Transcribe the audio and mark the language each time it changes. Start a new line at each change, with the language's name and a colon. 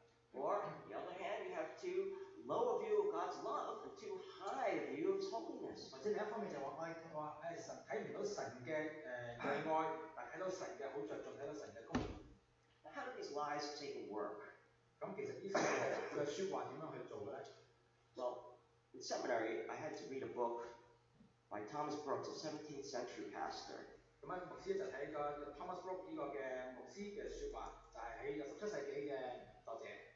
English: Or on the other hand, you have too low a view of God's love and too high a view of His holiness.
Cantonese: 或者另一方面就话，哎，神睇唔到神嘅爱，但睇到神嘅好着重，睇到神嘅公义。
English: Now, how do these lies of Satan work?
Cantonese: 咁其实呢啲嘅说话点样去做咧？
English: Well, in seminary, I had to read a book by Thomas Brooks, a 17th century pastor.
Cantonese: 咁啊，牧师就睇个 Thomas Brooks 呢个嘅牧师嘅说话，就系喺17世纪嘅作者。